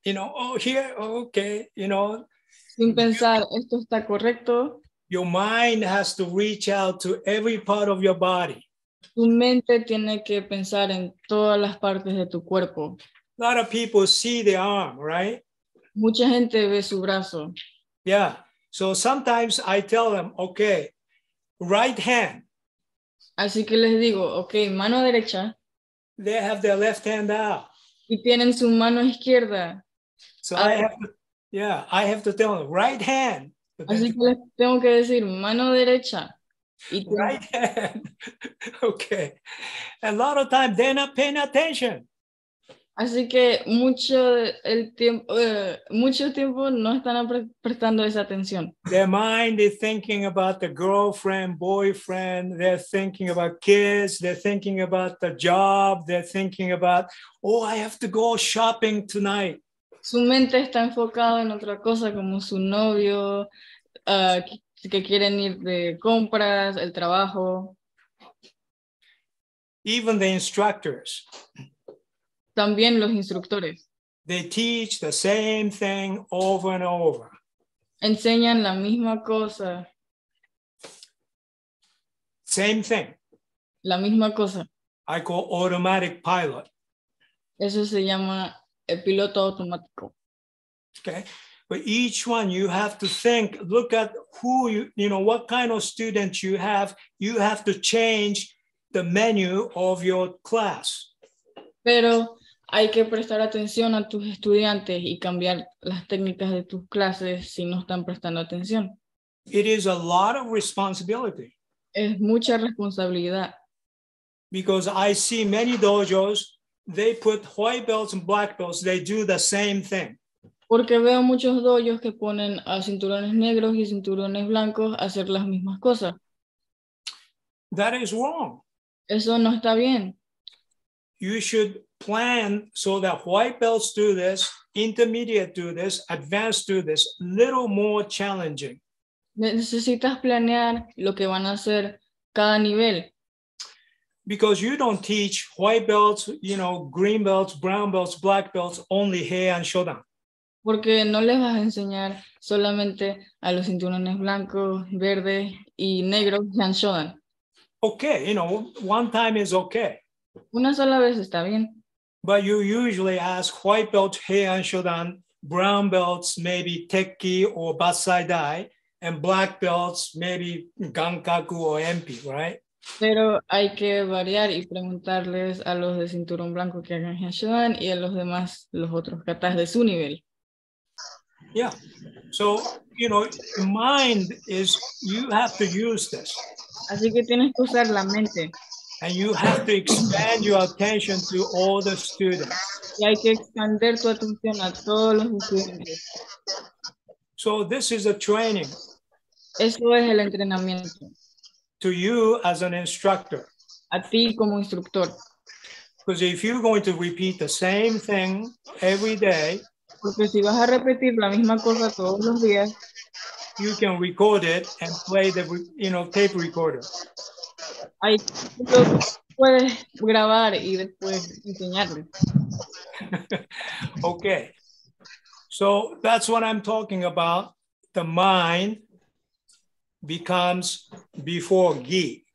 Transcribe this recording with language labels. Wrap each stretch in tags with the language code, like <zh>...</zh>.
<en>You know, oh, here, oh, okay, you know.</en> <es>Sin pensar, esto está correcto.</es> <en>Your mind has to reach out to every part of your body.</en> <es>Tu mente tiene que pensar en todas las partes de tu cuerpo.</es> <en>A lot of people see the arm, right?</en> <es>Mucha gente ve su brazo.</es> <en>Yeah. So sometimes I tell them, okay, right hand.</en> <es>Así que les digo, okay, mano derecha.</es> <en>They have their left hand out.</en> <es>Y tienen su mano izquierda.</es> <en>So okay. I have to tell them, right hand.</en> <es>Así que les tengo que decir, mano derecha.</es> <en>Y right hand. Okay. A lot of times they're not paying attention.</en> <es>Así que mucho tiempo no están prestando esa atención.</es> <en>Their mind is thinking about the girlfriend, boyfriend, they're thinking about kids, they're thinking about the job, they're thinking about, oh, I have to go shopping tonight.</en> <es>Su mente está enfocada en otra cosa como su novio, que quieren ir de compras, el trabajo.</es> <en>Even the instructors.</en> <es>También los instructores.</es> <en>They teach the same thing over and over.</en> <es>Enseñan la misma cosa.</es> <en>Same thing.</en> <es>La misma cosa.</es> <en>I call automatic pilot.</en> <es>Eso se llama el piloto automático.</es> <en>Okay. But each one you have to think, look at who you, you know, what kind of students you have. You have to change the menu of your class.</en> <es>Pero hay que prestar atención a tus estudiantes y cambiar las técnicas de tus clases si no están prestando atención.</es> <en>It is a lot of responsibility.</en> <es>Es mucha responsabilidad.</es> <en>Because I see many dojos, they put white belts and black belts, they do the same thing.</en> <es>Porque veo muchos dojos que ponen a cinturones negros y cinturones blancos a hacer las mismas cosas.</es> <en>That is wrong.</en> <es>Eso no está bien.</es> <en>You should plan so that white belts do this, intermediate do this, advanced do this, little more challenging.</en> <es>Necesitas planear lo que van a hacer cada nivel.</es> <en>Because you don't teach white belts, you know, green belts, brown belts, black belts, only Heian Shodan.</en> <es>Porque no les vas a enseñar solamente a los cinturones blancos, verdes y negros Heian Shodan.</es> <en>Okay, you know, one time is okay.</en> <es>Una sola vez está bien.</es> <en>But you usually ask white belts, Heian Shodan, brown belts, maybe Tekki or Basai Dai, and black belts, maybe Gankaku or Enpi, right?</en> <es>Pero hay que variar y preguntarles a los de cinturón blanco que hagan Heian Shodan y a los demás, los otros katas de su nivel.</es> <en>Yeah. So, you know, mind is, you have to use this.</en> <es>Así que tienes que usar la mente.</es> <en>And you have to expand your attention to all the students.</en> <es>Y hay que expandir tu atención a todos los estudiantes.</es> <en>So this is a training.</en> <es>Eso es el entrenamiento.</es> <en>To you as an instructor.</en> <es>A ti como instructor.</es> <en>Because if you're going to repeat the same thing every day,</en> <es>porque si vas a repetir la misma cosa todos los días,</es> <en>you can record it and play the, you know, tape recorder.</en> <es>Ay, puedes grabar y después enseñarle.</es> <en>Okay. So that's what I'm talking about. The mind becomes before gi.</en>